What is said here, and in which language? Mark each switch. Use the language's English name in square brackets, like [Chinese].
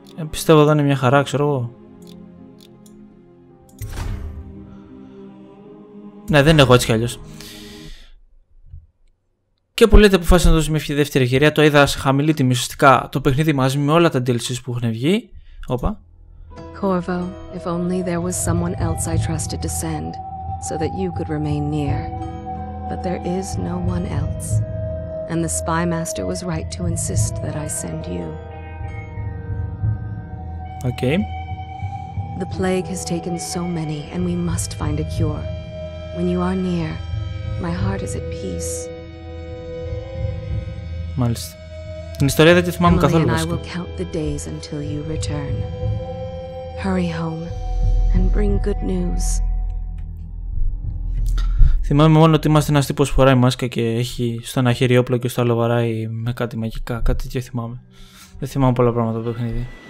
[Greek] Πιστεύω εδώ είναι μια χαρά, ξέρω εγώ. Ναι, δεν έχω έτσι κι αλλιώς. Και που λέτε, αποφάσισα να δώσω μια δεύτερη ευκαιρία. Το είδα σε χαμηλή τιμή ουσιαστικά το παιχνίδι μαζί με όλα τα DLCs που έχουν βγει. Όπα. [English] Corvo, if only there was someone else I trusted to send. So that you could remain near. But there is no one else. And the spymaster was right to insist that I send you. Okay. The plague has taken so many, and we must find a cure. When you are near, my heart is at peace. [Greek] Μάλιστα. Την ιστορία δεν τη θυμάμαι καθόλου. [English] Emily and I will count the days until you return. Hurry home and bring good news. [Greek] Θυμάμαι μόνο ότι είμαστε ένας τύπος που φοράει μάσκα και έχει στο ένα χέρι όπλο και στο άλλο βαράει με κάτι μαγικά. Κάτι τέτοιο θυμάμαι. Δεν θυμάμαι πολλά πράγματα από το παιχνίδι.